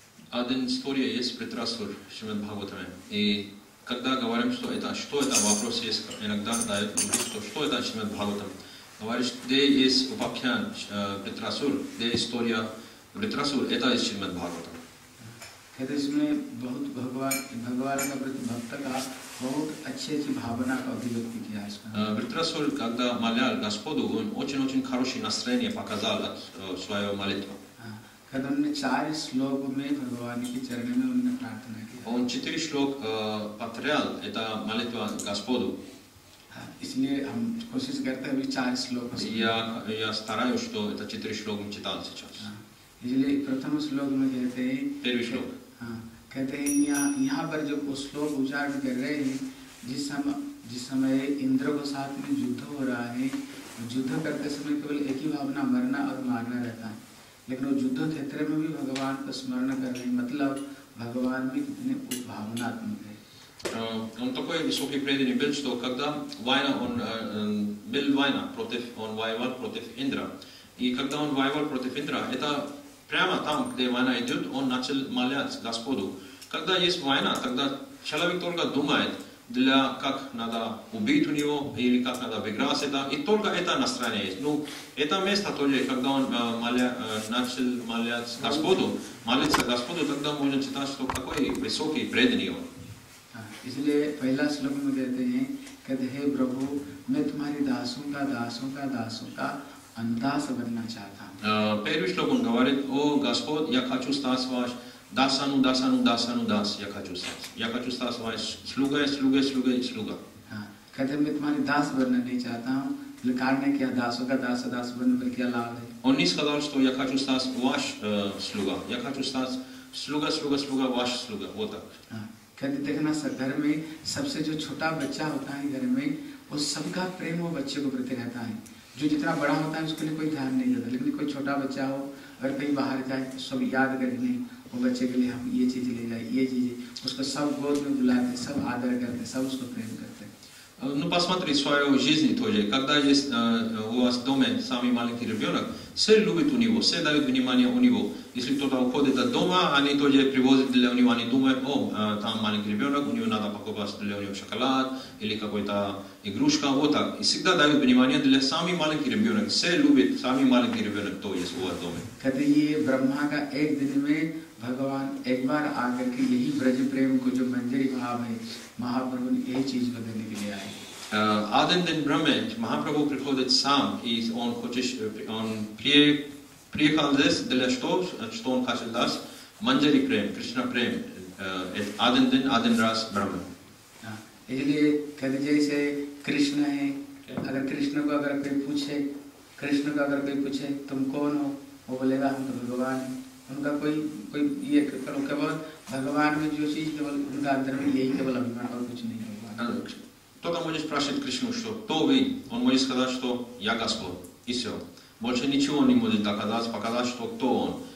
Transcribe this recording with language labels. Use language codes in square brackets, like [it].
[ru] Один история есть Притрасур Шримад Бхагаватам. И когда говорим, что это, что это вопрос есть, иногда задают вопрос, что это Шримад Бхагаватам. Говорит, где есть Упакхян Притрасур, где история Притрасур, это есть Шримад Бхагаватам. Когда [hi] इसमें बहुत भगवान का प्रति भक्त का बहुत अच्छी भावना का अभिव्यक्ति किया इसका [ru] वृत्रासुर когда молял Господу он очень-очень хорошее настроение показал от своего молитвы когда он [hi] चार श्लोक में भगवान के चरण में उन्होंने प्रार्थना की [ru] он четыре श्लोक повторял это молитва Господу [hi] इसलिए हम कोशिश करते हैं अभी चार श्लोक [ru] я стараюсь что это четыре श्लोक мы читал сейчас [hi] इसलिए प्रथम श्लोक में कहते हैं [ru] первый श्लोक [hi] कहते हैं यहाँ पर जो उस श्लोक उच्चारण कर रहे हैं जिस समय इंद्र को साथ में युद्ध हो रहा है युद्ध करते समय केवल एक ही भावना मरना और मारना रहता है लेकिन वो युद्ध क्षेत्र में भी भगवान का स्मरण कर रहे हैं मतलब भगवान में कितने उद्भावनात्मक है [ru] он такой высокий преданный был, что когда война, он был война против, он воевал против Индра. И когда он воевал против Индра, это прямо там, где война идет, он начал молять Господу. Когда есть война, тогда человек только думает, для как надо убить у него, или как надо выиграть это, и только это настроение есть. Ну, это место тоже, когда он начал молять Господу, молиться Господу, тогда можно читать, что какой высокий преданный он. [hi] इसलिए पहला श्लोक में कहते हैं कि हे प्रभु मैं तुम्हारी दासों का दासों का दासों का अंदास बनना चाहता हूं [ru] первый श्लोक он говорит о господь я хочу стать ваш дасану дасану дасану дас я хочу стать ваш слуга слуга слуга слуга [hi] हां कहते मैं तुम्हारी दास बनना नहीं चाहता हूं लकारने क्या दासों का दास दास बनने पर क्या लाभ है [ru] он не сказал что я хочу стать ваш слуга я хочу стать слуга слуга слуга ваш слуга вот так [hi] कहते देखना सर घर में सबसे जो छोटा बच्चा होता है घर में वो सबका प्रेम वो बच्चे को प्रति रहता है जो जितना बड़ा होता है उसके लिए कोई ध्यान नहीं देता लेकिन कोई छोटा बच्चा हो अगर कहीं बाहर जाए तो सब याद करते हैं वो बच्चे के लिए हम ये चीज ले जाए ये चीज उसको सब गोद में बुलाते हैं सब आदर करते हैं सब उसको प्रेम करते हैं [ru] ну посмотри свою жизнь тоже когда есть у вас дома самый маленький ребёнок все любят у него все дают внимание у него Если кто-то уходит от дома, они тоже привозят для него, они думают, о, там маленький ребенок, у него надо покупать для него шоколад или какой-то игрушка, вот так. И всегда дают внимание для самый маленький ребенок. Все любят самый маленький ребенок, то есть у вас дома. Когда ей Брахма как [hi] एक दिन में भगवान एक बार आकर के यही ब्रज प्रेम को जो मंजरी भाव है महाप्रभु ने यही चीज बताने के लिए आए [ru] один день Брахмач Махапрабху приходит сам и он хочет он приехал здесь для того, что он хочет даст манджари прем, Кришна прем, один день, один раз Брахма. Если когда же [hi] Кришна है, अगर Кришна को अगर कोई पूछे, Кришна को अगर कोई पूछे, तुम कौन हो? वो बोलेगा हम तो भगवान हैं. उनका कोई कोई ये करो केवल भगवान में जो चीज केवल उनका अंदर में यही केवल अभिमान और कुछ नहीं होगा. [ru] Кто-то может спросить Кришну, что то вы? Он может сказать, что я Господь. И все. Больше ничего он не может доказать, показать, что кто он.